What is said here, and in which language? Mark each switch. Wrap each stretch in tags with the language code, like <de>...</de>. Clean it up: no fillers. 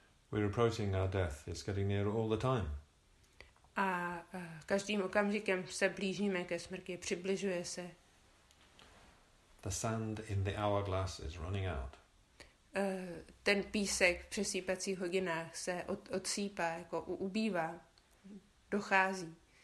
<en>We're approaching our death. It's getting nearer all the time.</en> <cs>A každým okamžikem se blížíme ke smrti, přibližuje se.</cs> <en>The sand in the hourglass is running out.</en> <cs>Ten písek v přesýpacích hodinách se odsýpá, jako ubývá, dochází.</cs>